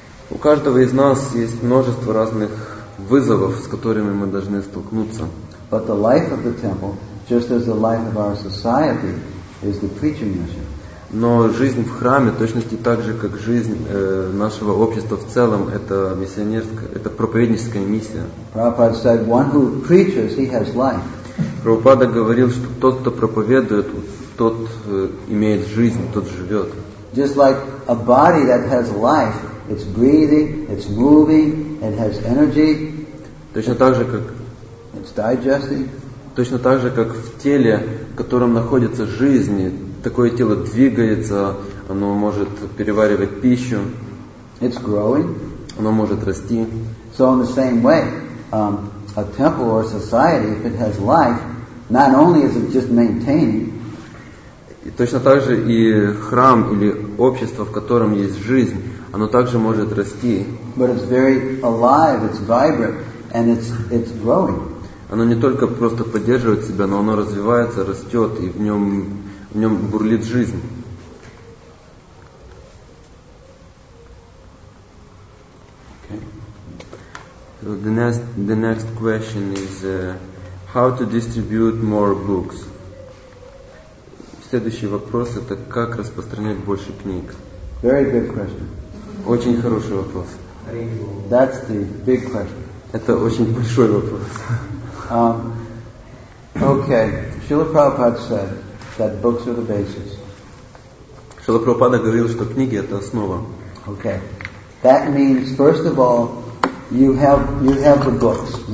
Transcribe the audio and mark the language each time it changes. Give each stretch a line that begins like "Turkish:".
Russian: У каждого из нас есть множество разных вызовов, с которыми мы должны столкнуться.
English: But the life of the temple, just as the life of our society, is the preaching mission.
Russian: Но жизнь в храме, точно так же, как жизнь нашего общества в целом, это миссионерская, это проповедническая миссия.
English: Prabhupada said, one who preaches, he has life.
Russian: Прабхупада говорил, что тот, кто проповедует, тот имеет жизнь, тот живет.
English: Just like a body that has life, it's breathing, it's moving, it has energy.
Russian: Точно так же, как
English: it's digesting.
Russian: Точно так же, как в теле, в котором находится жизнь, такое тело двигается, оно может переваривать пищу.
English: It's growing.
Russian: Оно может расти.
English: So in the same way, a temple or a society, if it has life, not only is it just maintaining.
Russian: И точно так же и храм или общество, в котором есть жизнь, оно также может расти.
English: But it's very alive, it's vibrant, and it's growing.
Russian: Оно не только просто поддерживает себя, но оно развивается, растет, и в нем бурлит жизнь.
English: Okay. So the next question is how to distribute more books?
Russian: Следующий вопрос – это как распространять больше книг?
English: Very good question.
Russian: Очень хороший вопрос.
English: That's the big question.
Russian: Это очень большой вопрос.
English: Okay. Srila Prabhupada said that books are the basis.
Russian: Srila Prabhupada говорил, что книги – это основа.
English: Okay. That means, first of all, you have the books.